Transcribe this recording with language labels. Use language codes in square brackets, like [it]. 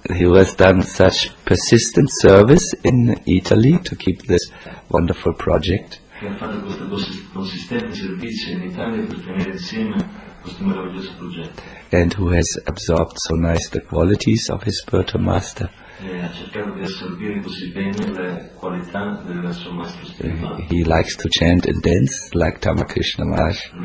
[en] He was done such persistent service in Italy to keep this wonderful project. [it] Ha fatto questo consistente servizio in Italia per tenere insieme questo meraviglioso progetto. [en] And who has absorbed so nice the qualities of his spiritual master. He likes to chant and dance like Thapakrishna Maharaj.